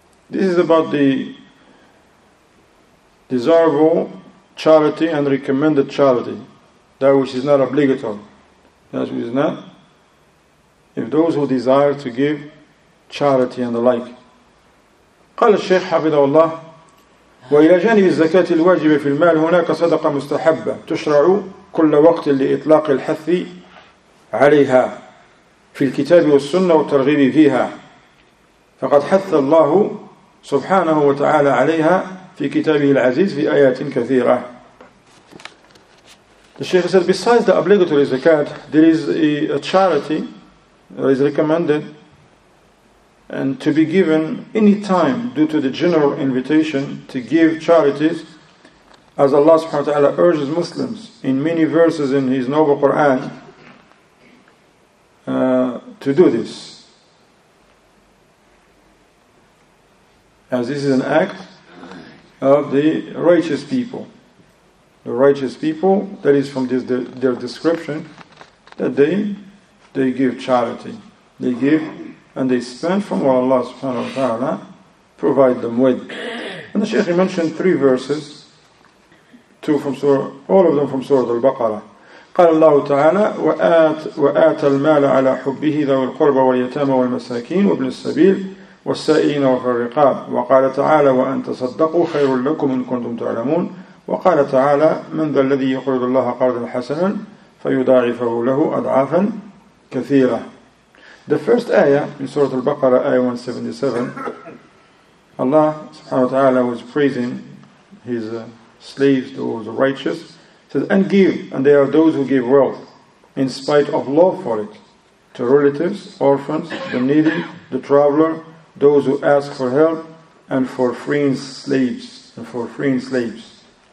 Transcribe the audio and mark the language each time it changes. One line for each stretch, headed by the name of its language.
English: This is about the desirable charity and recommended charity, that which is not obligatory. That which is not, if those who desire to give charity and the like.
Arabic: قال الشيخ حفظه الله وإلى جانب الزكاة الواجبة في المال هناك صدقة مستحبة تشرع كل وقت لإطلاق الحث عليها في الكتاب والسنة والترغيب فيها فقد حث الله سبحانه وتعالى عليها في كتابه العزيز في آيات كثيرة.
English: The Shaykh said, besides the obligatory zakat, there is a charity that is recommended and to be given any time due to the general invitation to give charities, as Allah subhanahu wa ta'ala urges Muslims in many verses in His noble Quran to do this. As this is an act of the righteous people. The righteous people, that is from this, their description, that they give charity. They give and they spend from what Allah subhanahu wa ta'ala provide them with. And the Shaykh mentioned three verses, all of them from Surah Al-Baqarah.
Arabic: قال الله تعالى وآت المال على حبه ذوي القربى واليتامى والمساكين وابن السبيل والسائلين وفي الرقاب. وقال تعالى وأن تصدقوا خير لكم إن كنتم تعلمون. وقال تعالى من ذا الذي يقرض الله قرضا حسنا فيضاعفه له أضعافا كثيرة.
English: The first ayah in Surah Al-Baqarah, ayah 177, Allah subhanahu wa ta'ala was praising His slaves, those righteous, says, and give, and they are those who give wealth, in spite of law for it, to relatives, orphans, the needy, the traveler, those who ask for help, and for freeing slaves, and for freeing slaves.